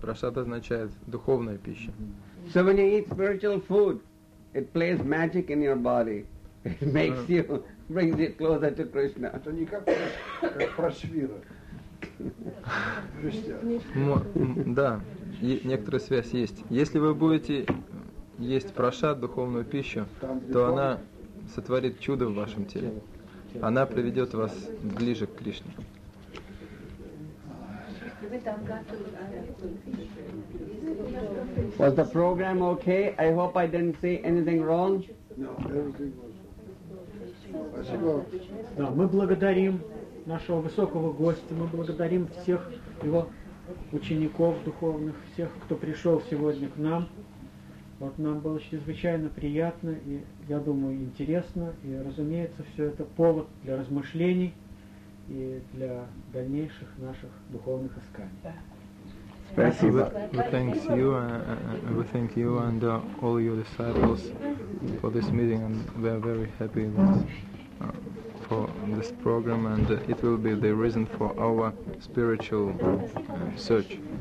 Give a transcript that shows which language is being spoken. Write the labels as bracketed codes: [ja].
[ru] Прашад означает духовная пища. [en] So when you eat spiritual food, it plays magic in your body. It makes you, brings you closer to Krishna. [ru] Это не как прашвира. Да. И некоторая связь есть. Если вы будете есть прашад, духовную пищу, то она сотворит чудо в вашем теле. Она приведет вас ближе к Кришне. [en] Was the program okay? I hope I didn't say anything wrong. No, everything was. [ru] Спасибо. Да, мы благодарим нашего высокого гостя. Мы благодарим всех его учеников духовных, всех, кто пришел сегодня к нам. Вот нам было чрезвычайно приятно и, я думаю, интересно. И, разумеется, все это повод для размышлений и для дальнейших наших духовных исканий. Спасибо. [en] We thank you and all your disciples for this meeting, and we are very happy that, for this program, and it will be the reason for our spiritual search.